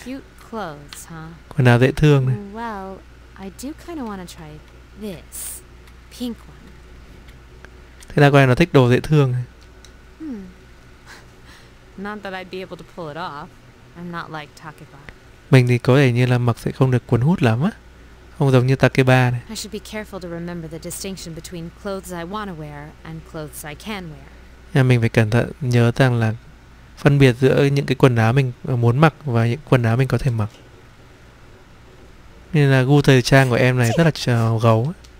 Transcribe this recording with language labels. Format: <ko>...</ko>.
<en>Cute clothes, huh?</en> <vi>Quần áo dễ thương này.</vi> <en>Well, I do kind of want to try this pink one.</en> <vi>Thế là con này nó thích đồ dễ thương.</vi> <en>Not that I'd be able to pull it off. I'm not like Takiba.</en> <vi>Mình thì có thể như là mặc sẽ không được cuốn hút lắm á. Không giống như Takeba này.</vi> <en>I should be careful to remember the distinction between clothes I want to wear and clothes I can wear.</en> <vi>Nên mình phải cẩn thận nhớ rằng là phân biệt giữa những cái quần áo mình muốn mặc và những quần áo mình có thể mặc. Nên là gu thời trang của em này rất là gấu.</vi>